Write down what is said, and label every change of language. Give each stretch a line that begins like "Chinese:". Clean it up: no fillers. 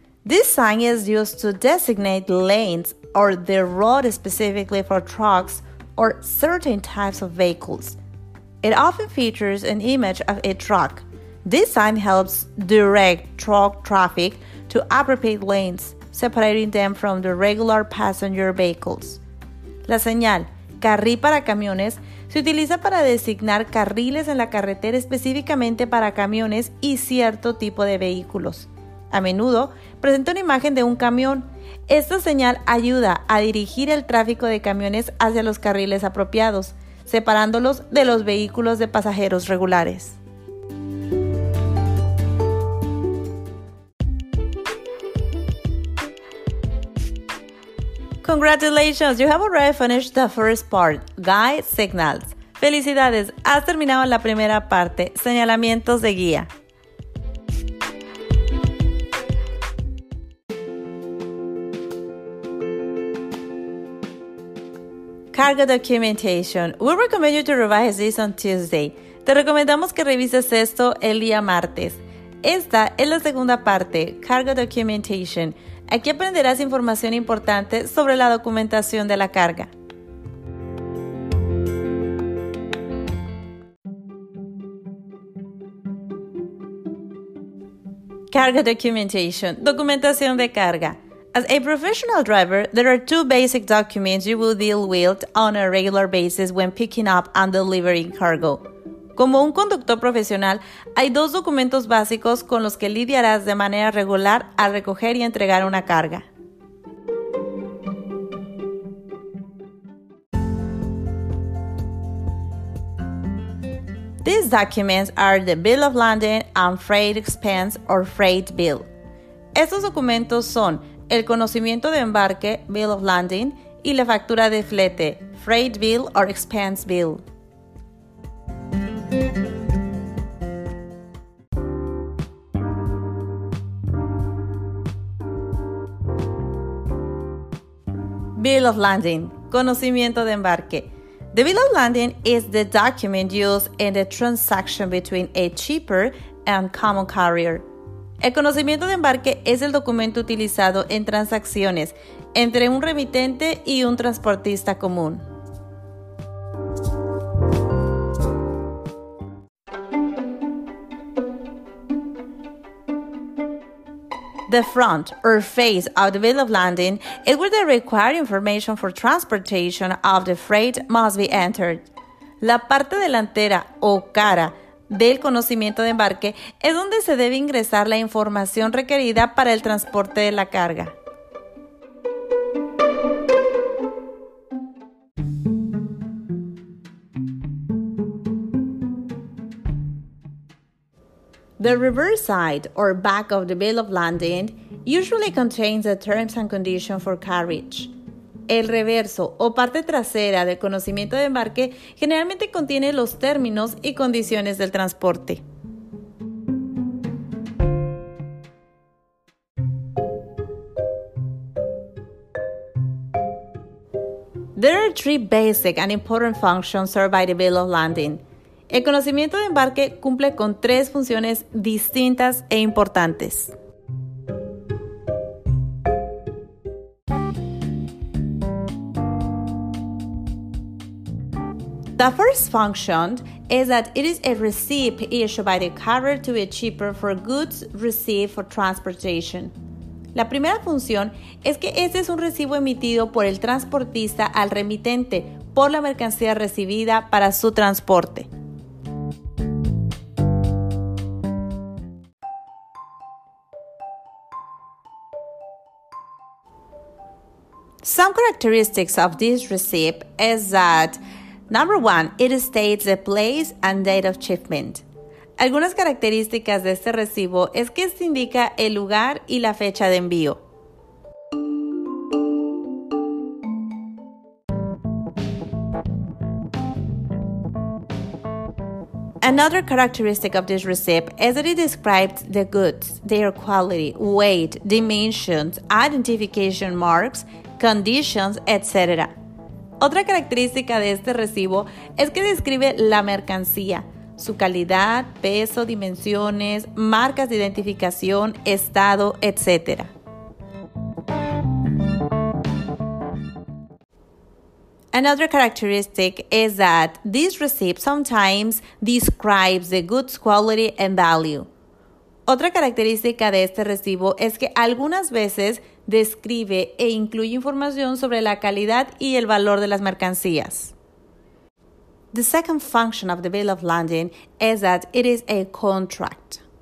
English: This sign is used to designate lanes or the road specifically for trucks or certain types of vehicles. It often features an image of a truck. This sign helps direct truck traffic to appropriate lanes, separating them from the regular passenger vehicles.
Spanish: La señal, carril para camiones se utiliza para designar carriles en la carretera específicamente para camiones y cierto tipo de vehículos. A menudo presenta una imagen de un camión. Esta señal ayuda a dirigir el tráfico de camiones hacia los carriles apropiados, separándolos de los vehículos de pasajeros regulares.
English: Congratulations, you have already finished the first part, guide signals.
Spanish: Felicidades, has terminado la primera parte, señalamientos de guía.
English: Cargo documentation. We recommend you to revise this on Tuesday.
Spanish: Te recomendamos que revises esto el día martes. Esta es la segunda parte,
English: cargo documentation.
Spanish: Aquí aprenderás información importante sobre la documentación de la carga.
English: Cargo documentation,
Spanish: documentación de carga.
English: As a professional driver, there are two basic documents you will deal with on a regular basis when picking up and delivering cargo.
Spanish: Como un conductor profesional, hay dos documentos básicos con los que lidiarás de manera regular al recoger y entregar una carga.
English: These documents are the Bill of Lading and Freight Expense or Freight Bill.
Spanish: Estos documentos son el conocimiento de embarque, Bill of Lading, y la factura de flete,
English: Freight Bill or Expense Bill.
Spanish: Bill of Lading, conocimiento de embarque.
English: The Bill of Lading is the document used in the transaction between a shipper and common carrier.
Spanish: El conocimiento de embarque es el documento utilizado en transacciones entre un remitente y un transportista común.
English: The front or face of the bill of lading is where the required information for transportation of the freight must be entered.
Spanish: La parte delantera o cara del conocimiento de embarque es donde se debe ingresar la información requerida para el transporte de la carga.
English: The reverse side or back of the bill of lading usually contains the terms and conditions for carriage.
Spanish: El reverso o parte trasera del conocimiento de embarque generalmente contiene los términos y condiciones del transporte.
English: There are three basic and important functions served by the bill of lading.
Spanish: El conocimiento de embarque cumple con tres funciones distintas e importantes.
English: The first function is that it is a receipt issued by the carrier to a shipper for goods received for transportation.
Spanish: La primera función es que este es un recibo emitido por el transportista al remitente por la mercancía recibida para su transporte.
English: Some characteristics of this receipt is that, number one, it states the place and date of shipment.
Spanish: Algunas características de este recibo es que se indica el lugar y la fecha de envío.
English: Another characteristic of this receipt is that it describes the goods, their quality, weight, dimensions, identification marks, conditions, etc.
Spanish: Otra característica de este recibo es que describe la mercancía, su calidad, peso, dimensiones, marcas de identificación, estado, etc.
English: Another characteristic is that this receipt sometimes describes the goods quality and value.
Spanish: Otra característica de este recibo es que algunas veces describe e incluye información sobre la calidad y el valor de las mercancías.
English: The second function of the bill of lading is that it is a contract.